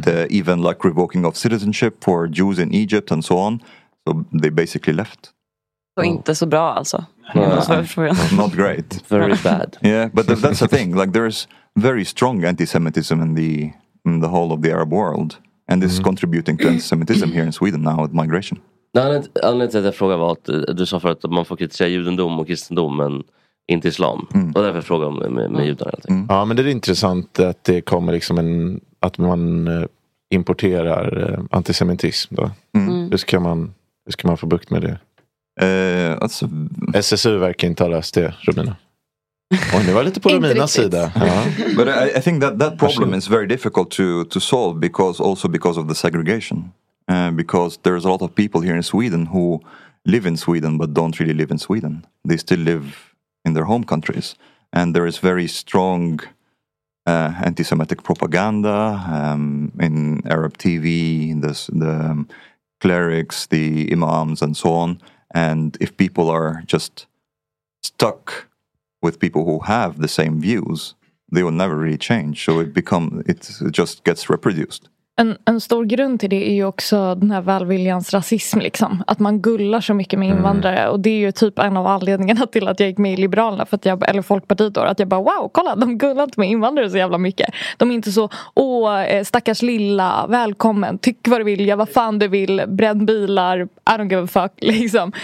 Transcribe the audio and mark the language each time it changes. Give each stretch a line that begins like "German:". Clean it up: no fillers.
English: Even like revoking of citizenship for Jews in Egypt and so on. So they basically left.
Swedish: So inte så bra alltså.
English: Not great. Very bad. Yeah, but that's the thing. Like there's very strong anti-Semitism in the whole of the Arab world. And this is contributing to anti-Semitism here in Sweden now with migration.
Swedish: Anledningen till att jag frågade var att du sa för att man får kritisera judendom och kristendom, men inte islam. Mm. Och därför frågar jag med judar. Mm. Ja, men det är intressant att det kommer liksom att man importerar antisemitism då. Mm. Hur ska man få bukt med det? Alltså, SSU verkar inte ha löst det, Romina. Och det var lite på Romina sida. Ja.
English: But I think that problem is very difficult to solve because of the segregation. Because there's a lot of people here in Sweden who live in Sweden but don't really live in Sweden. They still live in their home countries, and there is very strong anti-Semitic propaganda in Arab TV, the clerics, the imams, and so on. And if people are just stuck with people who have the same views, they will never really change. So it just gets reproduced.
Swedish: En stor grund till det är ju också den här välviljans rasism liksom. Att man gullar så mycket med invandrare. Mm. Och det är ju typ en av anledningarna till att jag gick med i Liberalerna. För att jag, eller Folkpartiet då. Att jag bara, wow, kolla, de gullar inte med invandrare så jävla mycket. De är inte så, åh, stackars lilla, välkommen, tyck vad du vill, ja, vad fan du vill, bränn bilar,
English: I don't give a fuck,
Swedish: liksom.